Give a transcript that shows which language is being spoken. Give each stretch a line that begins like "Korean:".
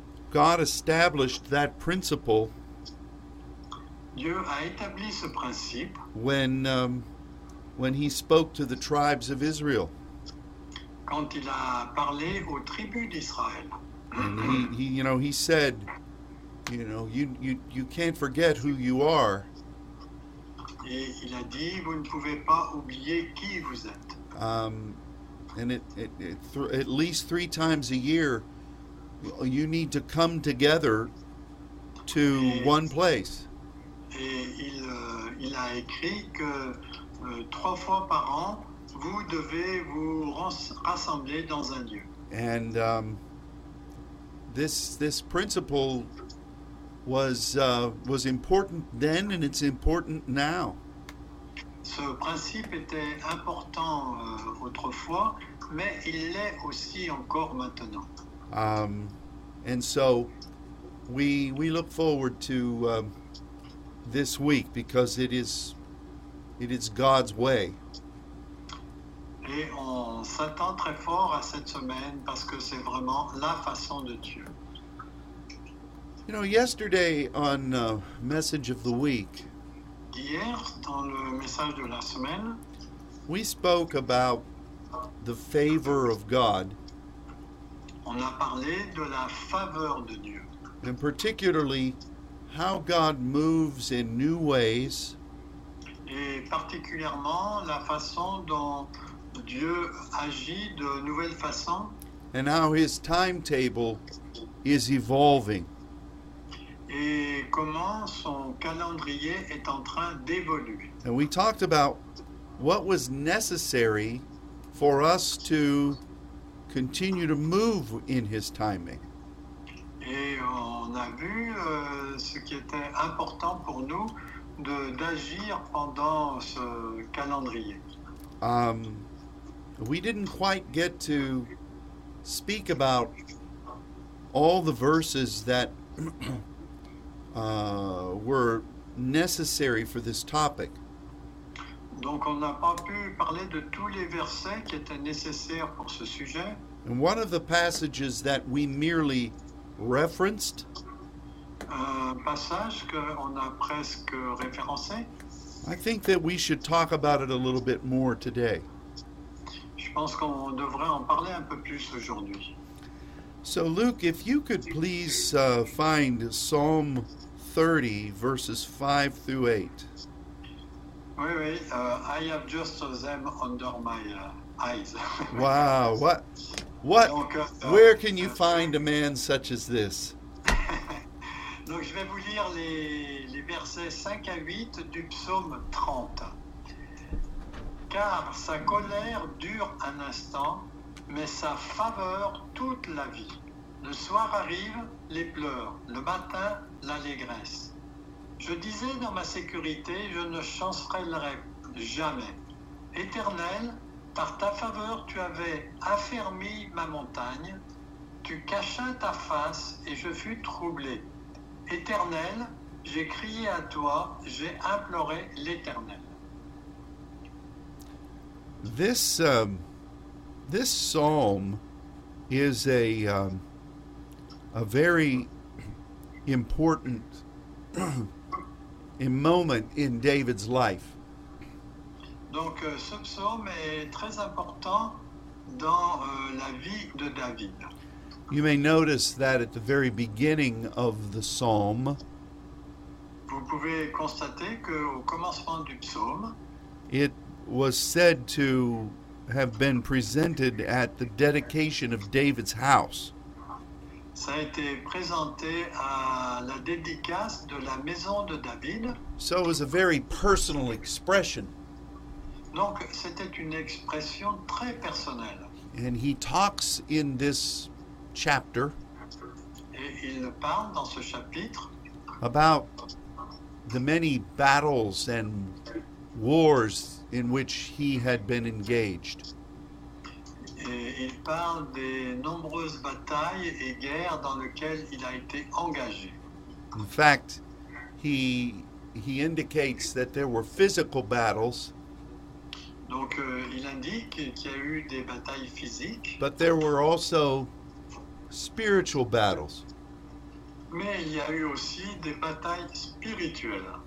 English: God established that principle.
French: Dieu a établi ce principe.
English: When he spoke to the tribes of Israel.
French: Quand il a parlé aux tribus d'Israël.
English: And he said, you can't forget who you are.
French: Et il a dit, vous ne pouvez pas oublier qui vous êtes.
English: At least three times a year, you need to come together to one place.
French: Et il a écrit que trois fois par an, vous devez vous rassembler dans un lieu.
English: And this principle was important then, and it's important now.
French: Ce principe était important autrefois, mais il l'est aussi encore maintenant.
English: And so, we look forward to this week because it is God's way.
French: Et on s'attend très fort à cette semaine parce que c'est vraiment la façon de Dieu.
English: You know, yesterday on Message of the Week.
French: Hier, dans le message de la semaine,
English: we spoke about the favor of God.
French: On a parlé de la faveur de Dieu.
English: And particularly, how God moves in new ways.
French: Et particulièrement, la façon dont Dieu agit de nouvelles façons.
English: And how his timetable is evolving.
French: Et comment son calendrier est en train d'évoluer.
English: And we talked about what was necessary for us to continue to move in his timing.
French: Et on a vu ce qui était important pour nous d'agir pendant ce calendrier.
English: We didn't quite get to speak about all the verses that were necessary for this topic.
French: Donc on n'a pas pu parler de tous les versets qui étaient nécessaires pour ce sujet.
English: And one of the passages that we merely referenced,
French: passage que on a presque référencé,
English: I think that we should talk about it a little bit more today.
French: Je pense qu'on devrait en parler un peu plus aujourd'hui.
English: So Luke, if you could please find Psalm 30, verses 5 through 8. Oui, I have just them under my eyes. Wow, what? Donc, where can you find a man such as this?
French: Donc, je vais vous lire les versets 5 à 8 du psaume 30. Car sa colère dure un instant, mais sa faveur toute la vie. Le soir arrive, les pleurs, le matin, l'allégresse. Je disais dans ma sécurité, je ne chancellerai jamais. Éternel, par ta faveur, tu avais affermi ma montagne. Tu cachas ta face et je fus troublé. Éternel, j'ai crié à toi, j'ai imploré l'Éternel.
English: This psalm is a very important moment in David's life.
French: Donc ce psaume est très important dans la vie de David.
English: You may notice that at the very beginning of the psalm,
French: vous pouvez constater que au commencement du psaume,
English: it was said to have been presented at the dedication of David's house.
French: Ça a été présenté à la dédicace de la maison de David.
English: So it was a very personal expression.
French: Donc, c'était une expression très personnelle.
English: And he talks in this chapter.
French: Et il parle dans ce chapitre
English: about the many battles and wars in which he had been engaged.
French: Et il parle des nombreuses batailles et guerres dans lesquelles il a été engagé.
English: In fact, he indicates that there were physical battles.
French: Donc il indique qu'il y a eu des batailles physiques.
English: But there were also spiritual battles.
French: Mais il y a eu aussi des batailles spirituelles.